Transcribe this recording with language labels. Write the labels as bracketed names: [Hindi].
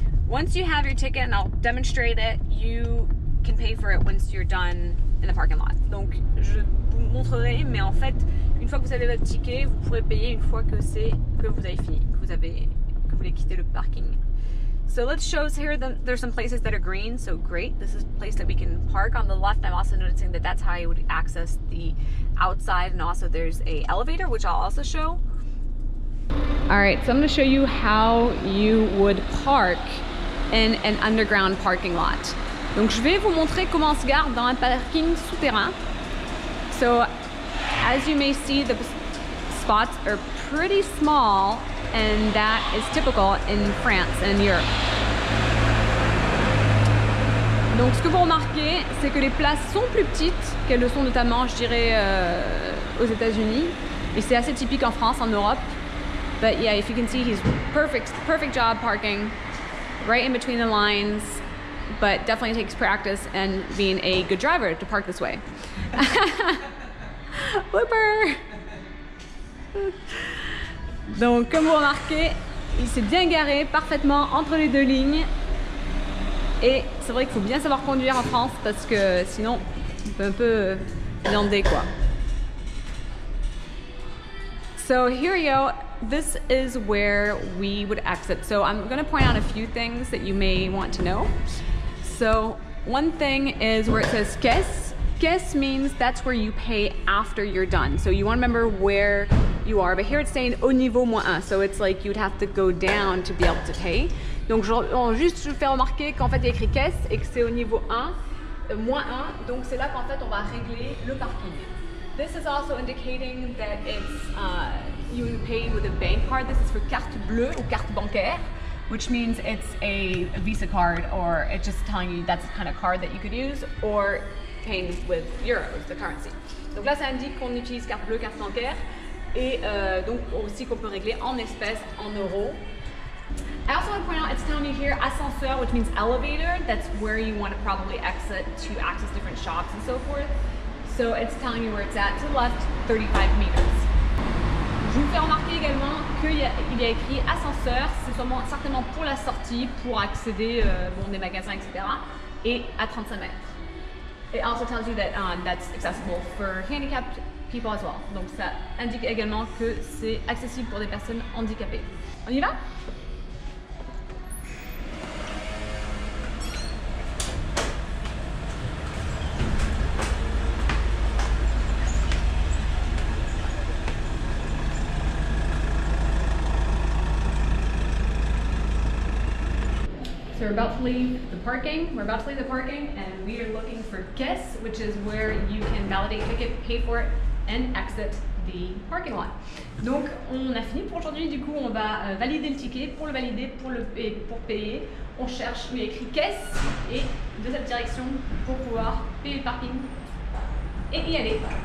[English] Once you have your ticket, and I'll demonstrate it, you can pay for it once you're done in the parking lot. [French] Donc, je vous montrerai, mais en fait, une fois que vous avez votre ticket, vous pourrez payer une fois que vous avez quitté le parking. [English] So let's show us here, there's some places that are green, so great. This is a place that we can park on the left. I'm also noticing that that's how I would access the outside, and also there's a elevator, which I'll also show. All right, so I'm going to show you how you would park in an underground parking lot. [French] Donc je vais vous montrer comment on se garde dans un parking souterrain. [English] So as you may see, the spots are pretty small, and that is typical in France and Europe. [French] Donc ce que vous remarquez, c'est que les places sont plus petites qu'elles le sont notamment, je dirais, aux États-Unis, et c'est assez typique en France, en Europe. [English] But yeah, if you can see, he's perfect job parking right in between the lines, but definitely takes practice and being a good driver to park this way. Blooper! [French] Donc, comme vous remarquez, il s'est bien garé parfaitement entre les deux lignes. Et c'est vrai qu'il faut bien savoir conduire en France parce que sinon, on peut un peu lander quoi. [English] So here you go. This is where we would exit. So I'm going to point out a few things that you may want to know. So one thing is where it says caisse. Caisse means that's where you pay after you're done. So you want to remember where you are. But here it's saying [French] au niveau moins un. [English] So it's like you'd have to go down to be able to pay. [French] Donc juste je fais remarquer qu'en fait il y a écrit caisse et que c'est au niveau un, moins un. Donc c'est là qu'en fait on va régler le parking. [English] This is also indicating that it's you pay with a bank card. This is for [French] carte bleue ou carte bancaire, [English] which means it's a Visa card, or it's just telling you that's the kind of card that you could use, or paying with euros, the currency. [French] Donc là, ça indique qu'on utilise carte bleue, carte bancaire, et donc aussi qu'on peut régler en espèces, en euros. [English] I also want to point out, it's telling you here, ascenseur, which means elevator. That's where you want to probably exit to access different shops and so forth. So it's telling you where it's at, to the left, 35 meters. [French] Je vous fais remarquer également qu'il y a écrit ascenseur, c'est certainement pour la sortie, pour accéder bon, des magasins, etc. Et à 35 mètres. [English] It also tells you that that's accessible for handicapped people as well. [French] Donc ça indique également que c'est accessible pour des personnes handicapées. On y va? [English] So we're about to leave the parking. And we are looking for guests, which is where you can validate ticket, pay for it, and exit the parking lot. [French] Donc, on a fini pour aujourd'hui. Du coup, on va valider le ticket. Pour le valider, pour payer, on cherche, il y a écrit caisse et de cette direction pour pouvoir payer le parking et y aller.